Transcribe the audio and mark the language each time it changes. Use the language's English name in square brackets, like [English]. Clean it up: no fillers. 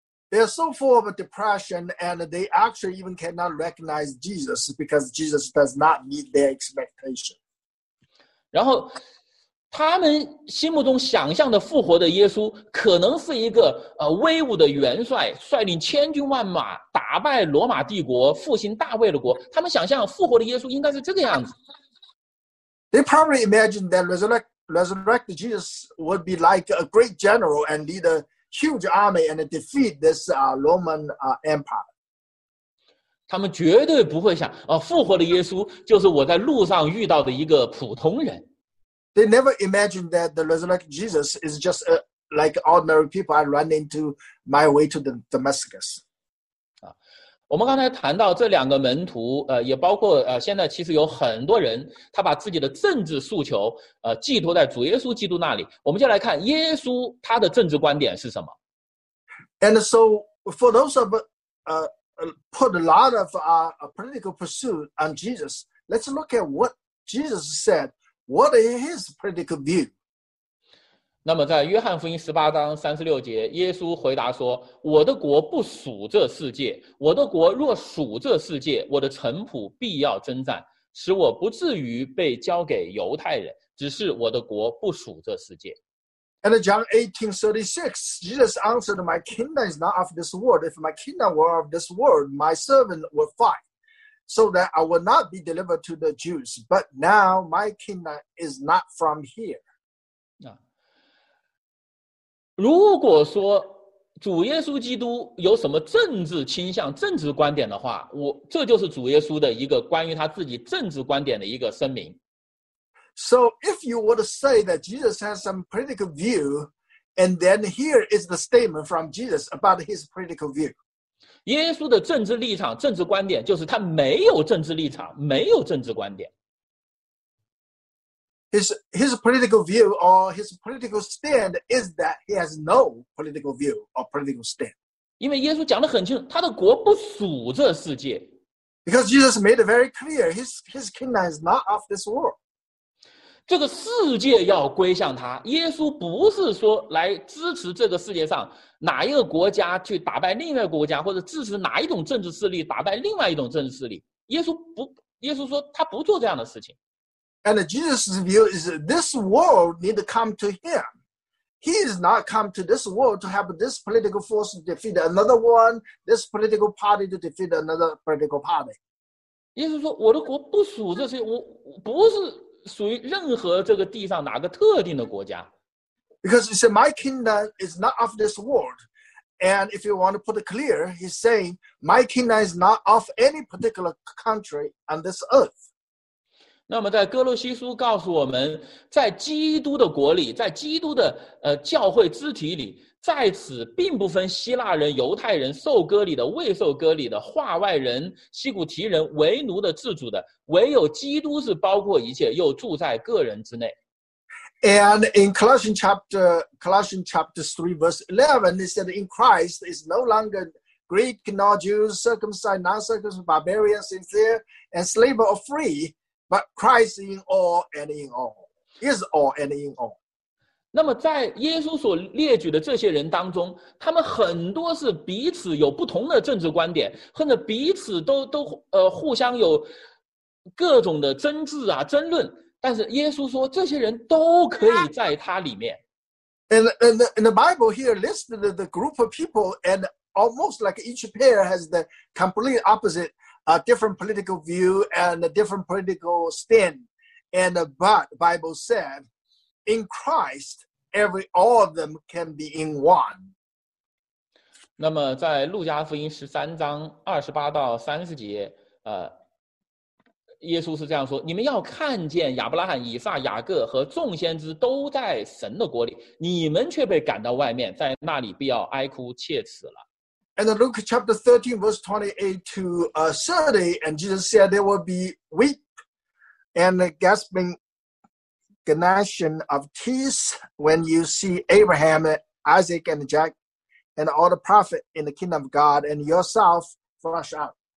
[English] They are so full of depression, and they actually even cannot recognize Jesus because Jesus does not meet their expectation. [Chinese] 然后，他们心目中想象的复活的耶稣，可能是一个威武的元帅，率领千军万马。打败罗马帝国，复兴大卫的国。他们想象复活的耶稣应该是这个样子。 [English] They probably imagined that resurrected Jesus would be like a great general and lead a huge army and defeat this Roman empire. [Chinese] 他们绝对不会想，复活的耶稣就是我在路上遇到的一个普通人。 [English] They never imagined that the resurrected Jesus is just like ordinary people I run into my way to the Damascus. [Chinese] 我们刚才谈到这两个门徒也包括现在其实有很多人他把自己的政治诉求寄托在主耶稣基督那里。我们就来看耶稣他的政治观点是什么。 [English] And so for those of put a lot of our political pursuit on Jesus, let's look at what Jesus said, what is his political view? [Chinese] 那么在约翰福音18章36节，耶稣回答说，我的国不属这世界，我的国若属这世界，我的臣仆必要征战，使我不至于被交给犹太人，只是我的国不属这世界。 [English] And John 18:36, Jesus answered, my kingdom is not of this world. If my kingdom were of this world, my servant would fight, so that I would not be delivered to the Jews. But now my kingdom is not from here. [Chinese] 如果说主耶稣基督有什么政治倾向、政治观点的话，这就是主耶稣的一个关于他自己政治观点的一个声明。 [English] So if you were to say that Jesus has some political view, and then here is the statement from Jesus about his political view. [Chinese] 耶稣的政治立场、政治观点就是他没有政治立场、没有政治观点。 [English] His political view or his political stand is that he has no political view or political stand. [Chinese] 因为耶稣讲得很清楚，他的国不属这世界。 [English] Because Jesus made it very clear, his kingdom is not of this world. [Chinese] 这个世界要归向他，耶稣不是说来支持这个世界上哪一个国家去打败另外一个国家，或者支持哪一种政治势力打败另外一种政治势力。耶稣说他不做这样的事情。 [English] And Jesus' view is this world need to come to him. He is not come to this world to have this political force to defeat another one, this political party to defeat another political party. [Chinese] 耶稣说我的国不属这些，我不是属于任何这个地上哪个特定的国家。 [English] Because he said, my kingdom is not of this world. And if you want to put it clear, he's saying, my kingdom is not of any particular country on this earth. [Chinese] 那么在哥罗西书告诉我们，在基督的国里，在基督的教会肢体里，在此并不分希腊人、犹太人、受割礼的、未受割礼的、化外人、希古提人、为奴的、自主的，唯有基督是包括一切，又住在个人之内。 [English] And in Colossians chapter 3, verse 11, it said, in Christ is no longer Greek, nor Jews, circumcised, non-circumcised, barbarian, sincere, and slave or free, but Christ in all and in all, is all and in all. [Chinese] 那么在耶稣所列举的这些人当中，他们很多是彼此有不同的政治观点，或者彼此都互相有各种的争执啊争论，但是耶稣说这些人都可以在他里面。 [English] And the Bible here lists the group of people, and almost like each pair has the complete opposite, different political view and a different political stand. And but Bible said,In Christ, all of them can be in one. [Chinese] 那么在路加福音13:28-30，耶稣是这样说，你们要看见亚伯拉罕、以撒、雅各和众先知都在神的国里，你们却被赶到外面，在那里必要哀哭切齿了。 [English] And Luke chapter 13, verse 28-30, and Jesus said there will be weep and gasping. Gnashing of teeth when you see Abraham, Isaac, and Jacob, and all the prophets in the kingdom of God, and yourself flush out.